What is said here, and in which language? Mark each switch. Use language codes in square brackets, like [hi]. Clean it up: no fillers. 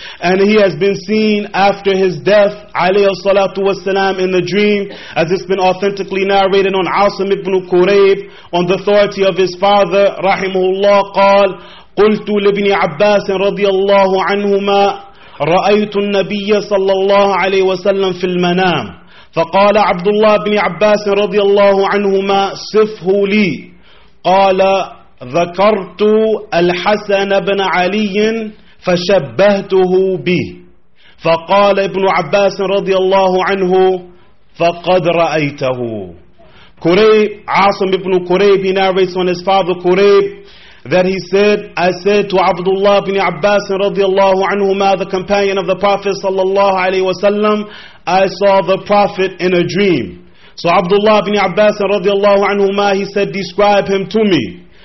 [en] And he has been seen after his death alayhi salatu wa salam in the dream, as it's been authentically narrated on Asim ibn Qurayb, on the authority of his father rahimahullah, [ar] qal qultu libn Abbas radiyallahu anhuma ra'aytu an-nabiyya sallallahu alayhi wa sallam fil manam. فقال عبد الله بن عباس رضي الله عنهما صفه لي قال ذكرت الحسن بن علي فشبهته به فقال ابن عباس رضي الله عنه فقد رأيته. [en] كريب عاصم بن كريب, he narrates on his father كريب that he said, I said to Abdullah ibn Abbas radiallahu anhuma, the companion of the Prophet sallallahu alayhi wa sallam, I saw the Prophet in a dream. So Abdullah ibn Abbas radiallahu anhuma, he said, describe him to me.